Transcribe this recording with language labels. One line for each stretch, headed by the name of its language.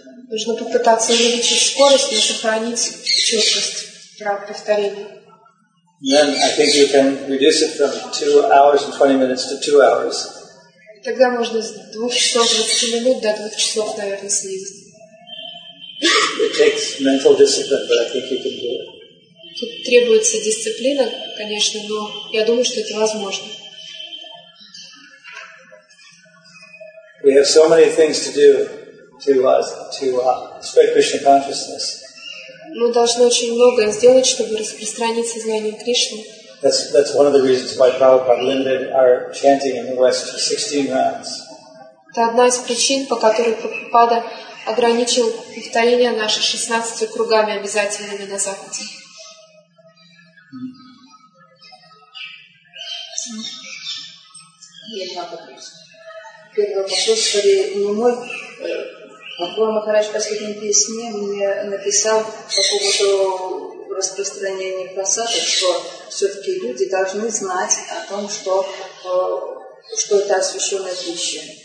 Russian: Нужно попытаться увеличить скорость, но сохранить четкость при повторении.
English: Then I think you can reduce it from 2 hours and 20 minutes to 2 hours.
Russian: Тогда можно с 2 часов 20 минут до 2 часов, наверное, снизить.
English: It takes mental discipline, but I think you can do it.
Russian: Тут требуется дисциплина, конечно, но я думаю, что это возможно.
English: We have so many things to do to spread Krishna consciousness.
Russian: Мы должны очень многое сделать, чтобы распространить сознание Кришны.
English: That's one of the reasons why Prabhupada limited our chanting in the West to 16 rounds.
Russian: Это одна из причин, по которой Прабхупада ограничил повторение наших 16 кругами обязательными на Западе. Первый вопрос, скорее, не мой. Бхагава Махарадж в последней песне мне написал по поводу распространения просады, что все-таки люди должны знать о том, что, что это освященная пища.